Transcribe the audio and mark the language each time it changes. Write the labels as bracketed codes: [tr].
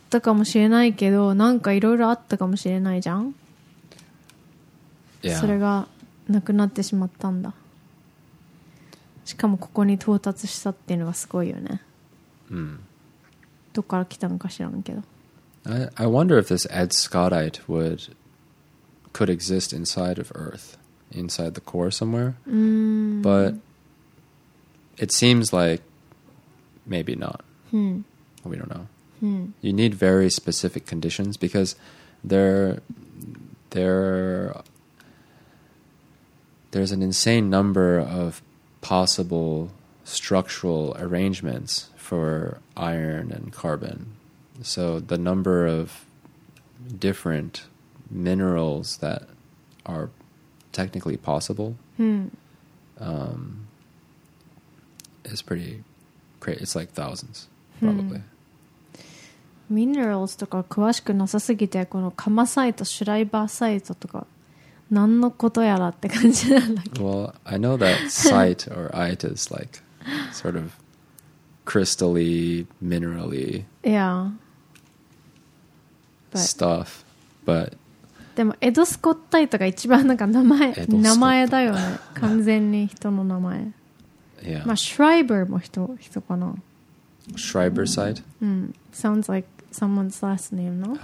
[ja] あったかもしれないけど、なんかいろいろあったかもしれないじゃん。 [en] Yeah. [ja] それがなくなってしまったんだ。しかもここに到達したっていうのがすごいよね。うん。どっから来たのか知らんけど。 [en] I wonder if this Edscottite could exist inside of Earth, inside the core somewhere. But it seems like maybe not. We don't know. You need very specific conditions because there's an insane number of possible structural arrangements for iron and carbon. So the number of different minerals that are technically possible, is pretty crazy. It's like thousands, probably. [ja] ミネラルズとか詳しくなさすぎて、このカマサイト、シュライバーサイトとか何のことやらって感じなんだけど。 [en] Well, I know that site or ite is like sort of crystally, minerally yeah. but, stuff, but [ja] でもエドスコッタイとか一番なんか名前だよね。完全に人の名前。 [en] Yeah. [ja] まあシュライバーも人かな。シュライバーサイト。 [en] うん。Sounds like someone's last name, no?